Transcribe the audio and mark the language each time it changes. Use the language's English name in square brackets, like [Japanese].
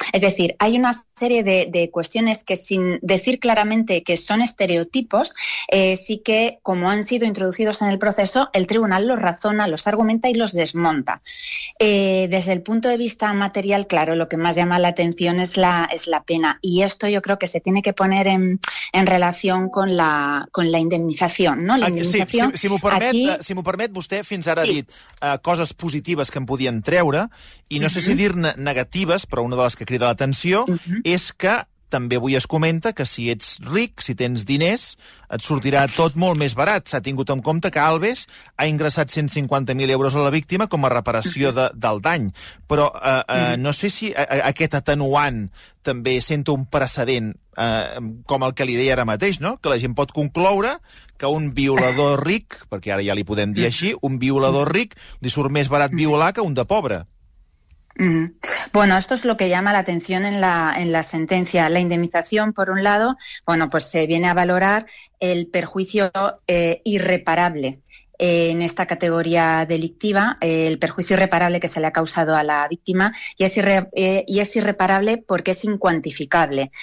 [Spanish] Es decir, hay una serie de cuestiones que, sin decir claramente que son estereotipos, sí que, como han sido introducidos en el proceso, el tribunal los razona, los argumenta y los desmonta. Desde el punto de vista material, claro, lo que más llama la atención es la pena. Y esto yo creo que se tiene que poner en relación con la indemnización, ¿no? La indemnización. [Catalan] Sí, si m'ho permet, vostè fins ara ha dit coses positives que em podien treure, i no sé si dir-ne negatives, però una de les que crida l'atenció és que també avui es comenta que si ets ric, si tens diners, et sortirà tot molt més barat. S'ha tingut en compte que Alves ha ingressat 150.000 euros a la víctima com a reparació del dany. Però no sé si aquest atenuant també sento un precedent com el que li deia ara mateix, no? Que la gent pot concloure que un violador ric, perquè ara ja li podem dir així, un violador ric li surt més barat violar que un de pobre. [Spanish] Bueno, esto es lo que llama la atención en la sentencia. La indemnización, por un lado, bueno, pues se viene a valorar el perjuicio irreparable en esta categoría delictiva, el perjuicio irreparable que se le ha causado a la víctima, y es irreparable porque es incuantificable.